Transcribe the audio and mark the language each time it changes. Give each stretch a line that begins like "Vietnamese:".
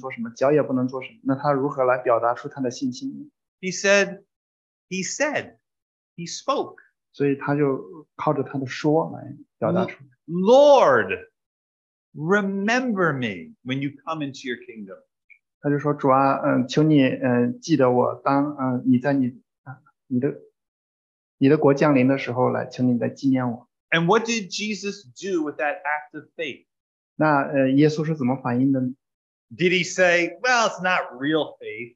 Chinese: 当与耶稣同钉十字架的那个人被钉在十字架的时候，他的手不能做什么，脚也不能做什么。那他如何来表达出他的信心？
English: He spoke.
Chinese: 所以他就靠着他的说来表达出。
English: Lord, remember me when you come into your kingdom.
Chinese: 他就说主啊，求你记得我当你在你的国降临的时候来，请你来纪念我。
English: And what did Jesus do with that act of faith?
Chinese: 那耶稣是怎么反应的呢?
English: Did he say, well, it's not real faith.